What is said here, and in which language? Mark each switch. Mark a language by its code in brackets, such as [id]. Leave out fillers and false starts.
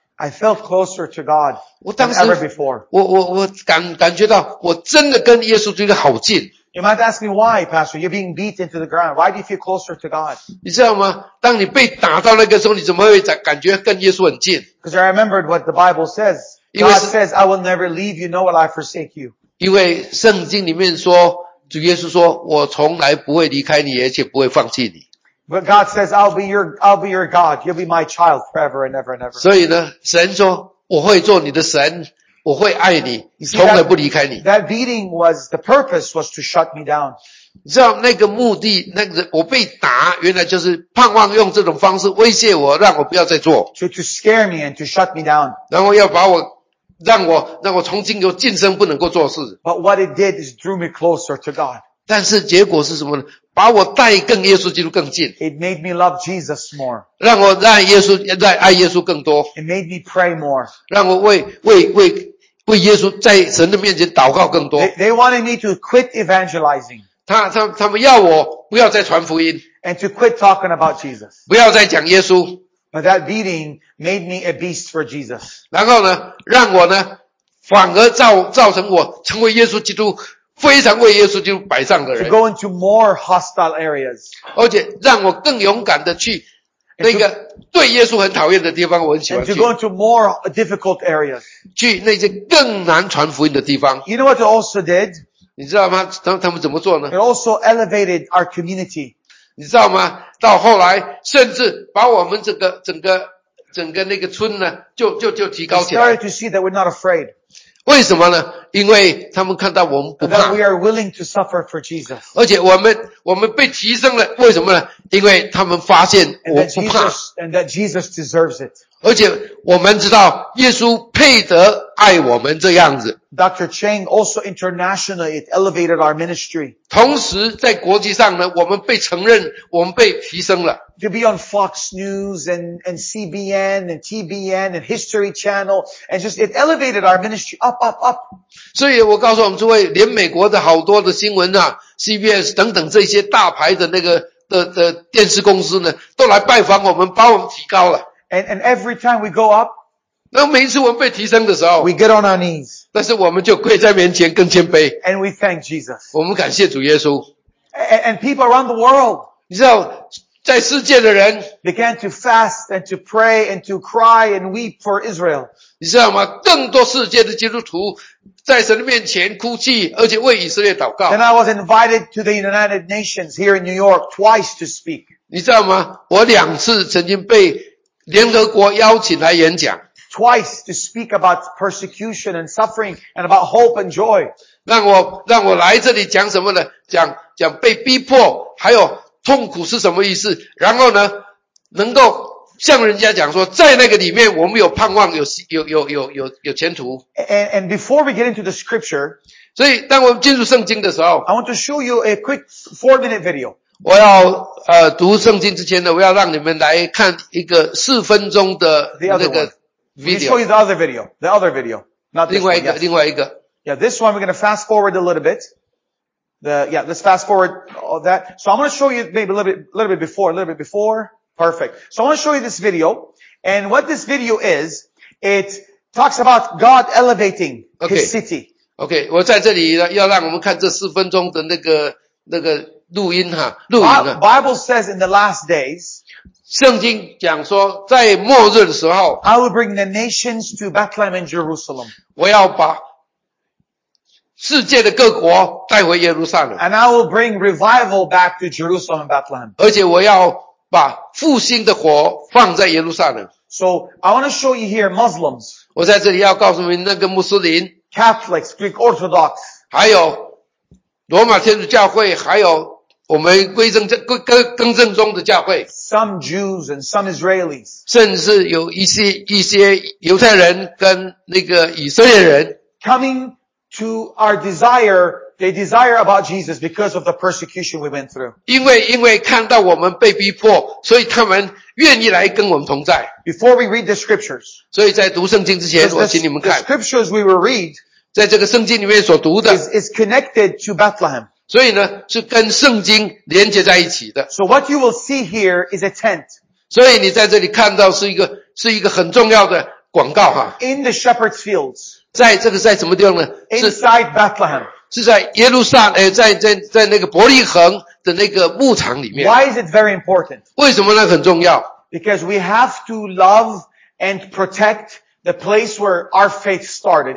[en] I felt closer to God than ever before. [zh] 我感觉到我真的跟耶稣觉得好近。 [en] You might ask me why, Pastor, you're being beat into the ground. Why do you feel closer to God? [zh] 你知道吗？当你被打到那个时候，你怎么会感觉跟耶稣很近？ [en] Because I remembered what the Bible says. God says, I will never leave you, nor will I forsake you. [zh] 因为圣经里面说，主耶稣说，我从来不会离开你，而且不会放弃你。 [en] But God says, I'll be your God. You'll be my child forever and ever and ever. [zh] 所以呢，神说，我会做你的神，我会爱你，从来不离开你。 [en] That beating was, the purpose was to shut me down. [zh] 你知道那个目的，那个我被打，原来就是盼望用这种方式威胁我，让我不要再做。 [en] To scare me and to shut me down. [zh] 然后要把我让我从今以后晋升不能够做事。 [en] But what it did is drew me closer to God. [zh] 但是结果是什么呢？把我带更耶稣基督更近。 [en] It made me love Jesus more. [zh] 让我让耶稣爱耶稣更多。 [en] It made me pray more. [zh] 让我为耶稣在神的面前祷告更多。 [en] They wanted me to quit evangelizing. [zh] 他们要我不要再传福音。 [en] And to quit talking about Jesus. [zh] 不要再讲耶稣。 [en] But that beating made me a beast for Jesus. [zh] 然后呢，让我呢，反而造成我成为耶稣基督非常为耶稣基督摆上的人。 [en] To go into more hostile areas. [zh] 而且让我更勇敢的去那个对耶稣很讨厌的地方，我很喜欢去。 [en] And to go into more difficult areas. [zh] 去那些更难传福音的地方。 [en] You know what it also did? [zh] 你知道吗？他们怎么做呢？ [en] It also elevated our community. [zh] 你知道吗？到后来，甚至把我们整个那个村呢，就提高起来。 [en] They started to see that we're not afraid. [zh] 为什么呢？因为他们看到我们不怕。 [en] That we are willing to suffer for Jesus. [zh] 而且我们被提升了，为什么呢？因为他们发现我不怕。 [en] And that Jesus deserves it. [zh] 而且我们知道耶稣配得爱我们这样子。 [en] Dr. Chang also internationally it elevated our ministry. [zh] 同时在国际上呢，我们被承认，我们被提升了。 [en] To be on Fox News and CBN and TBN and History Channel and just it elevated our ministry up, up, up. [zh] 所以我告诉我们诸位，连美国的好多的新闻啊 ，CBS 等等这些大牌的那个的电视公司呢，都来拜访我们，把我们提高了。 [en] And every time we go up. [zh] 那每一次我们被提升的时候 [en] ，We get on our knees. [zh] 但是我们就跪在面前更谦卑。 [en] And we thank Jesus. [zh] 我们感谢主耶稣。 [en] And people around the world. [zh] 你知道，在世界的人 [en] began to fast and to pray and to cry and weep for Israel. [zh] 你知道吗？更多世界的基督徒在神的面前哭泣，而且为以色列祷告。 [en] Then I was invited to the United Nations here in New York twice to speak. [zh] 你知道吗？我两次曾经被联合国邀请来演讲。 [en] Twice to speak about persecution and suffering and about hope and joy. [zh] 让我来这里讲什么呢？讲被逼迫，还有痛苦是什么意思？然后呢，能够向人家讲说，在那个里面，我们有盼望，有前途。 [en] And before we get into the scripture, [zh] 所以当我们进入圣经的时候 [en] ，I want to show you a quick 4-minute video. [zh] 我要读圣经之前呢，我要让你们来看一个四分钟的那个 video. [en] Let me show you the other video, not this one. [zh] 另外一个。 [en] Yeah, this one we're going to fast forward a little bit. Let's fast forward all that. So I'm going to show you maybe a little bit before. Perfect. So I want to show you this video. And what this video is, it talks about God elevating his city. Okay. [zh] 我在这里要让我们看这四分钟的那个录音哈，录音啊。 [en] Bible says in the last days, [zh] 圣经讲说在末日的时候 [en] I will bring the nations to Bethlehem and Jerusalem. [zh] 我要把世界的各国带回耶路撒冷, [en] and I will bring revival back to Jerusalem and Bethlehem. [zh] 而且我要把复兴的火放在耶路撒冷。 [en] So I want to show you here Muslims, [zh] 我在这里要告诉你那个穆斯林, [en] Catholics, Greek Orthodox, [zh] 还有罗马天主教会, 还有我们归正更正宗的教会, [en] some Jews and some Israelis, [zh] 甚至有一些犹太人跟那个以色列人, [en] coming to our desire, they desire about Jesus because of the persecution we went through. [zh] 因为看到我们被逼迫, 所以他们愿意来跟我们同在。 [en] Before we read the scriptures, [zh] 所以在读圣经之前, 我请你们看, [en] the scriptures we will read, [zh] 在这个圣经里面所读的, [en] is connected to Bethlehem. [zh] 所以呢, 是跟圣经连接在一起的。 [en] So what you will see here is a tent. [zh] 所以你在这里看到是一个, 是一个很重要的广告啊。 [en] In the shepherd's fields, [zh] 在这个在什么地方呢? [en] Inside Bethlehem. [zh] 是在耶路撒冷，在那个伯利恒的那个牧场里面。 [en] Why is it very important? [zh] 为什么呢？很重要。 [en] Because we have to love and protect the place where our faith started.